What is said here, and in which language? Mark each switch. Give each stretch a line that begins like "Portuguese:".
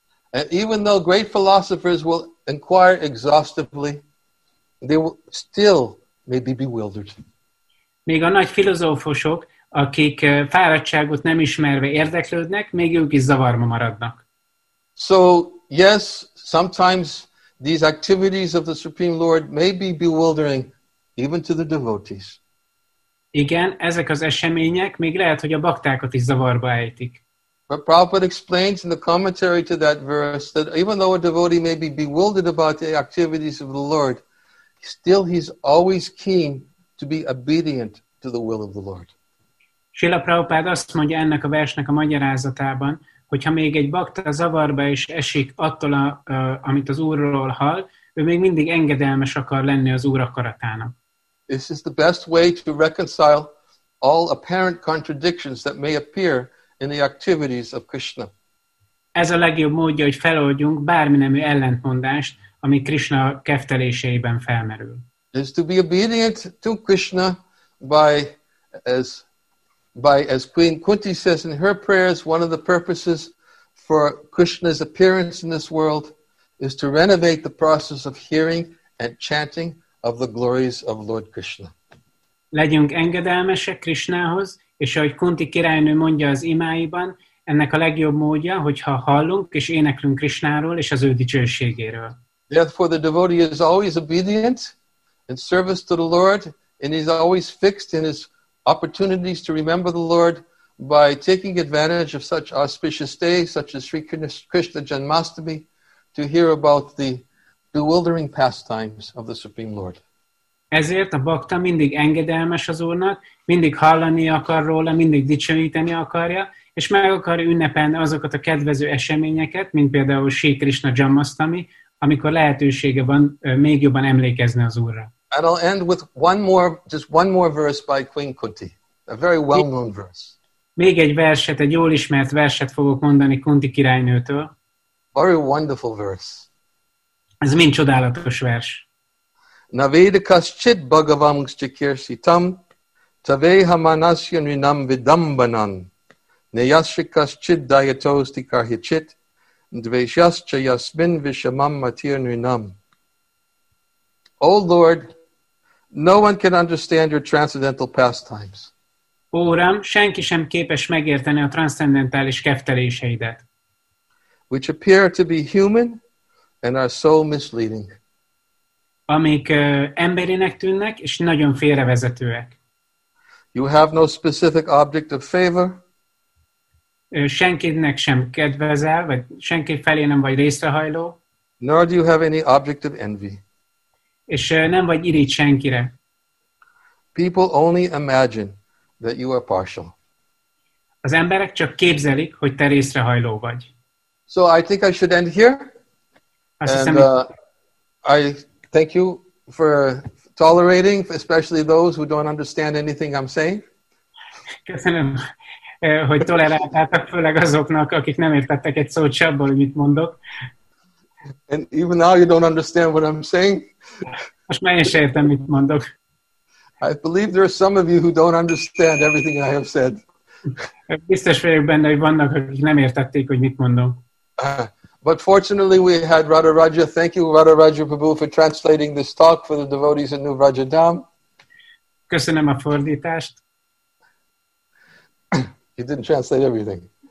English: And even though great philosophers will inquire exhaustively, they will still may be bewildered.
Hungarian: Még a nagy filozófusok, akik fáradtságot nem ismerve érdeklődnek, még ők is zavarba maradnak.
English: So, yes, sometimes these activities of the Supreme Lord may be bewildering even to the devotees.
Hungarian: Igen, ezek az események még lehet, hogy a baktákat is zavarba ejtik.
English: But Prabhupada explains in the commentary to that verse that even though a devotee may be bewildered about the activities of the Lord, still he's always keen to be obedient to the will of the Lord.
Hungarian: Srila Prabhupada azt mondja ennek a versnek a magyarázatában, hogyha még egy bakta zavarba is esik attól, amit az Úrról hall, ő még mindig engedelmes akar lenni az Úr akaratának.
English: This is the best way to reconcile all apparent contradictions that may appear in the activities of Krishna.
Hungarian: Ez a legjobb módja, hogy feloldjunk bárminemű ellentmondást, ami Krishna kefteléseiben felmerül.
English: Is to be obedient to Krishna by as Queen Kunti says in her prayers, one of the purposes for Krishna's appearance in this world is to renovate the process of hearing and chanting of the glories of Lord Krishna.
Hungarian: Legyünk engedelmesek Krishnához, és ahogy Kunti királynő mondja az imáiban, ennek a legjobb módja, hogyha hallunk és éneklünk Krishnáról és az ő dicsőségéről.
English: Therefore the devotee is always obedient in service to the Lord, and he's always fixed in his opportunities to remember the Lord by taking advantage of such auspicious days, such as Sri Krishna Janmashtami, to hear about the bewildering pastimes of the Supreme Lord.
Hungarian: Ezért a bakta mindig engedelmes az Úrnak, mindig hallani akar róla, mindig dicsőíteni akarja, és meg akar ünnepelni azokat a kedvező eseményeket, mint például Sri Krishna Janmashtami, amikor lehetősége van még jobban emlékezni az Úrra.
English: And I'll end with one more verse by Queen Kunti, a very well-known verse.
Hungarian: Még egy verset, egy jól ismert verset fogok mondani Kunti királynőtől.
English: Very wonderful verse.
Hungarian: Ez mind csodálatos vers.
Sanskrit: Navedakaschit bhagavam chakirsitam taveha manasya nrinam vidambanan nayashikaschit dayatosti karhichit dveshascha yasmin vishamam matir nrinam.
English: O Lord, no one can understand your transcendental pastimes.
Hungarian: Uram, senki sem képes megérteni a transzcendentális kefteléseidet,
English: which appear to be human and are so misleading.
Hungarian: Amik emberinek tűnnek és nagyon félrevezetőek.
English: You have no specific object of favor.
Hungarian: Senkinek sem kedvezel, vagy senki felé nem vagy részrehajló.
English: Nor do you have any object of envy.
Hungarian: És nem vagy irigy senkire.
English: People only imagine that you are partial.
Hungarian: Az emberek csak képzelik, hogy te részrehajló vagy.
English: So I think I should end here. I thank you for tolerating, especially those who don't understand anything I'm saying.
Hungarian: Köszönöm, hogy toleráltátok, főleg azoknak, akik nem értettek egy szót se abból, hogy mit mondok.
English: And even now you don't understand what I'm saying.
Hungarian: Most már én sem értem, mit mondok.
English: I believe there are some of you who don't understand everything I have said.
Hungarian: Biztos vagyok benne, hogy vannak, akik nem értették, hogy mit mondom.
English: But fortunately, we had Radharaja. Thank you, Radharaja Prabhu, for translating this talk for the devotees in New Vrajadham.
Hungarian: Köszönöm a fordítást.
English: He didn't translate everything.